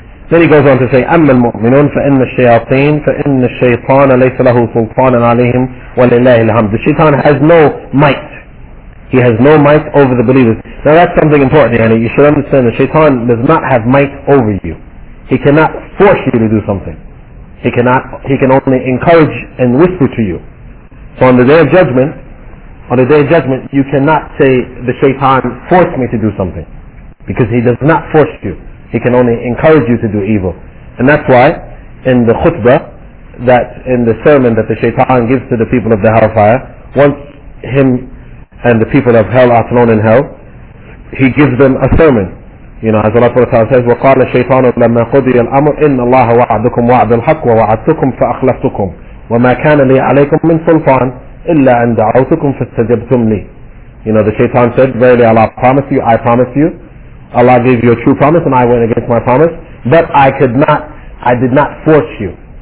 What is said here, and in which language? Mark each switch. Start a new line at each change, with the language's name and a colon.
English: Then he goes on to say,
Arabic: أَمَّا الْمُؤْمِنُونَ فَإِنَّ الشَّيَاطِينَ فَإِنَّ الشَّيْطَانَ لَيْسَ لَهُ سُلْطَانًا عَلَيْهِمْ وَلِلَّهِ الْحَمْدُ.
English: The shaitan has no might. He has no might over the believers. Now that's something important. Yani, you should understand the shaitan does not have might over you. He cannot force you to do something. He can only encourage and whisper to you. So on the day of judgment, you cannot say the shaitan forced me to do something. Because he does not force you. He can only encourage you to do evil. And that's why in the khutbah, that in the sermon that the shaitan gives to the people of the hellfire, once him and the people of hell are thrown in hell, he gives them a sermon. You know, as Allah Ta'ala says,
Arabic: وَقَالَ الشَّيْطَانُ لَمَّا قُضِيَ الْأَمْرُ إِنَّ اللَّهَ وَعَدُكُمْ وَعَدُ الْحَقِّ وَوَعَدْتُكُمْ فَأَخْلَفْتُكُمْ وَمَا كَانَ لِي عَلَيْكُمْ مِنْ سُلْطَانٍ إِلَّا أَنْ دَعَوْتُكُمْ فَاسْتَجَبْتُمْ لِي.
English: You know, the shaitan said, verily Allah promised you, I promise you, Allah gave you a true promise and I went against my promise, but I did not force you.